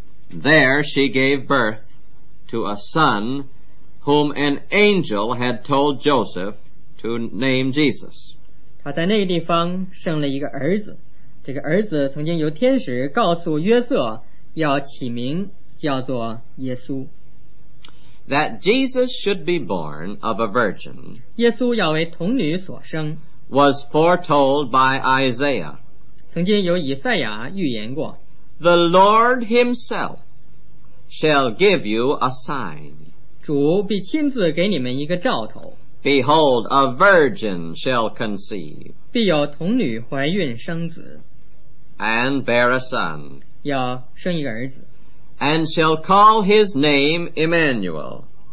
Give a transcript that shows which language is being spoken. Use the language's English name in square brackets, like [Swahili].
[English] There she gave birth to a son whom an angel had told Joseph to name Jesus. [Chinese] 他在那个地方生了一个儿子，这个儿子曾经由天使告诉约瑟要起名叫做耶稣。 [English] That Jesus should be born of a virgin, [Chinese] 耶稣要为童女所生, [English] was foretold by Isaiah. [Chinese] 曾经由以赛亚预言过。 [English] The Lord himself shall give you a sign. [Chinese] 主必亲自给你们一个兆头。 [English] Behold, a virgin shall conceive. [Chinese] 必有童女怀孕生子。 [English] And bear a son. [Chinese] 要生一个儿子。 [English] And shall call his name Emmanuel.